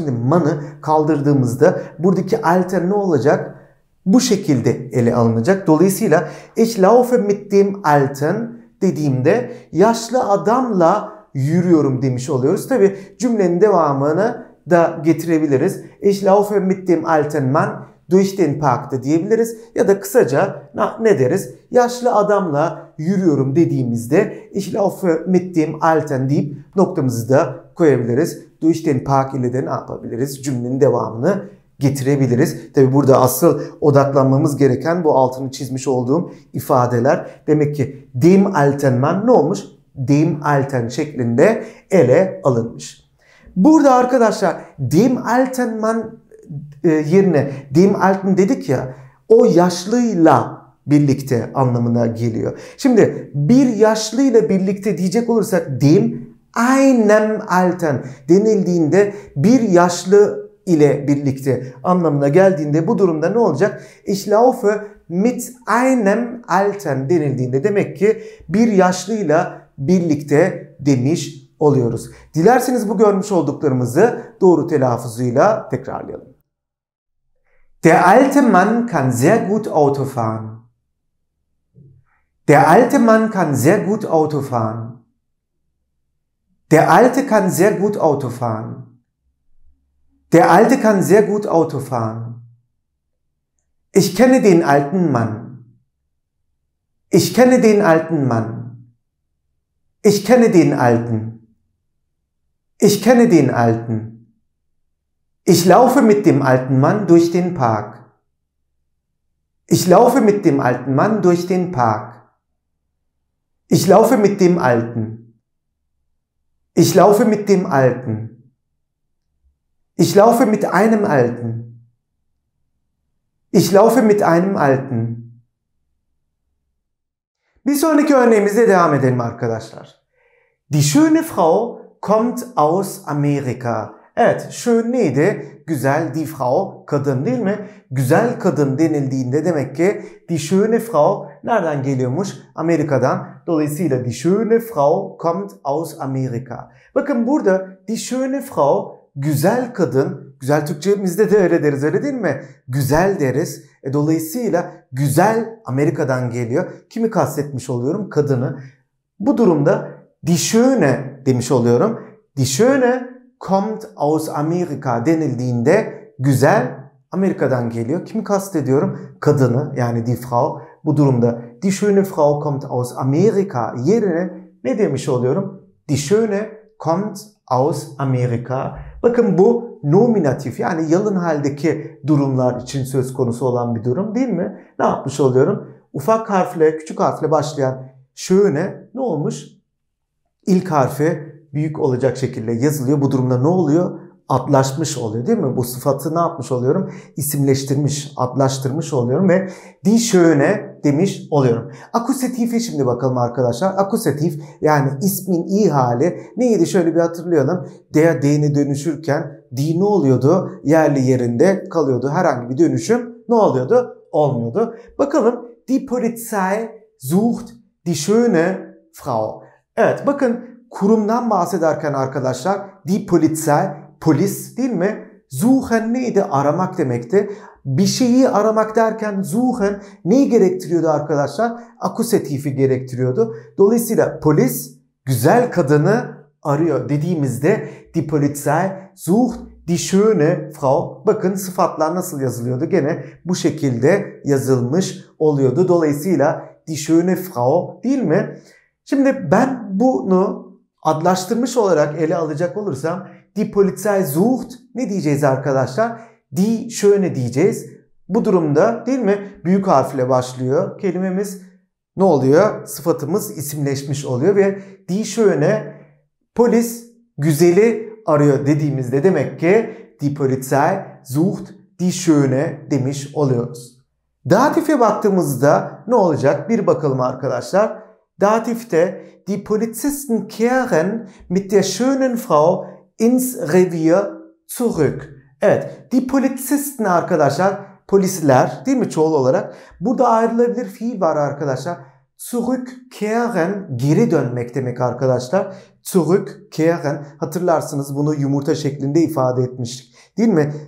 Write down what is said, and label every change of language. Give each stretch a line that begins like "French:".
Turkish: Şimdi Mann'ı kaldırdığımızda buradaki alten ne olacak? Bu şekilde ele alınacak. Dolayısıyla
German: ich laufe mit dem alten
Turkish: dediğimde yaşlı adamla yürüyorum demiş oluyoruz. Tabi cümlenin devamını da getirebiliriz.
German: Ich laufe mit dem alten Mann durch den Park
Turkish: da diyebiliriz. Ya da kısaca ne deriz? Yaşlı adamla yürüyorum dediğimizde
German: ich laufe mit dem alten
Turkish: deyip noktamızı da koyabiliriz.
German: Durch den Park
Turkish: ile de ne yapabiliriz? Cümlenin devamını getirebiliriz. Tabi burada asıl odaklanmamız gereken bu altını çizmiş olduğum ifadeler. Demek ki
German: dem alten Mann
Turkish: ne olmuş?
German: Dem alten
Turkish: şeklinde ele alınmış. Burada arkadaşlar
German: dem alten Mann
Turkish: yerine
German: dem alten
Turkish: dedik ya, o yaşlıyla birlikte anlamına geliyor. Şimdi bir yaşlıyla birlikte diyecek olursak
German: dem einem alten
Turkish: denildiğinde bir yaşlı ile birlikte anlamına geldiğinde bu durumda ne olacak?
German: Ich laufe mit einem alten
Turkish: denildiğinde demek ki bir yaşlıyla birlikte demiş oluyoruz. Dilerseniz bu görmüş olduklarımızı doğru telaffuzuyla tekrarlayalım.
German: Der alte Mann kann sehr gut Auto fahren. Der alte Mann kann sehr gut Auto fahren. Der alte kann sehr gut Auto fahren. Der alte kann sehr gut Auto fahren. Ich kenne den alten Mann. Ich kenne den alten Mann. Ich kenne den alten. Ich kenne den alten. Ich laufe mit dem alten Mann durch den Park. Ich laufe mit dem alten Mann durch den Park. Ich laufe mit dem alten. Ich laufe mit dem alten. Ich laufe mit einem Alten. Ich laufe mit einem Alten.
Turkish: Bir sonraki örneğimize devam edelim arkadaşlar.
German: Die schöne Frau kommt aus Amerika.
Turkish: Evet, schön neydi? Güzel,
German: die Frau,
Turkish: kadın değil mi? Güzel kadın denildiğinde demek ki
German: die schöne Frau
Turkish: nereden geliyormuş? Amerika'dan.
German: Dolayısıyla die schöne Frau kommt aus Amerika.
Turkish: Bakın burada
German: die schöne Frau,
Turkish: güzel kadın, güzel Türkçemizde de öyle deriz öyle değil mi? Güzel deriz. Dolayısıyla güzel Amerika'dan geliyor. Kimi kastetmiş oluyorum? Kadını. Bu durumda
German: die schöne
Turkish: demiş oluyorum.
German: Die schöne kommt aus Amerika
Turkish: denildiğinde güzel Amerika'dan geliyor. Kimi kastediyorum? Kadını yani
German: die Frau.
Turkish: Bu durumda
German: die schöne Frau kommt aus Amerika
Turkish: yerine ne demiş oluyorum?
German: Die schöne kommt aus Amerika.
Turkish: Bakın bu nominatif yani yalın haldeki durumlar için söz konusu olan bir durum değil mi? Ne yapmış oluyorum? Ufak harfle, küçük harfle başlayan schöne ne olmuş? İlk harfi büyük olacak şekilde yazılıyor. Bu durumda ne oluyor? Adlaşmış oluyor değil mi? Bu sıfatı ne yapmış oluyorum? İsimleştirmiş, adlaştırmış oluyorum ve
German: die schöne
Turkish: demiş oluyorum. Akusatife şimdi bakalım arkadaşlar. Akusatif yani ismin iyi hali neydi? Şöyle bir hatırlayalım. Der, den'e dönüşürken die ne oluyordu? Yerli yerinde kalıyordu. Herhangi bir dönüşüm ne oluyordu? Olmuyordu.
German: Bakalım die Polizei sucht die schöne Frau.
Turkish: Evet bakın kurumdan bahsederken arkadaşlar die Polizei, polis değil mi? Suchen neydi? Aramak demekti. Bir şeyi aramak derken zuhen neyi gerektiriyordu arkadaşlar? Akusatifi gerektiriyordu. Dolayısıyla polis güzel kadını arıyor dediğimizde
German: die Polizei sucht die schöne Frau.
Turkish: Bakın sıfatlar nasıl yazılıyordu? Gene bu şekilde yazılmış oluyordu. Dolayısıyla
German: die schöne Frau
Turkish: değil mi? Şimdi ben bunu adlaştırmış olarak ele alacak olursam
German: die Polizei sucht
Turkish: ne diyeceğiz arkadaşlar?
German: Die schöne
Turkish: diyeceğiz. Bu durumda değil mi? Büyük harfle başlıyor kelimemiz. Ne oluyor? Sıfatımız isimleşmiş oluyor ve
German: die schöne
Turkish: polis güzeli arıyor dediğimizde demek ki
German: die Polizei sucht die schöne
Turkish: demiş oluyoruz. Datif'e baktığımızda ne olacak? Bir bakalım arkadaşlar.
German: Datif'te die Polizisten kehren mit der schönen Frau ins Revier zurück.
Turkish: Evet, die Polizisten arkadaşlar, polisler değil mi çoğul olarak? Burada ayrılabilir fiil var arkadaşlar. Zurückkehren, geri dönmek demek arkadaşlar. Zurückkehren, hatırlarsınız bunu yumurta şeklinde ifade etmiştik. Değil mi?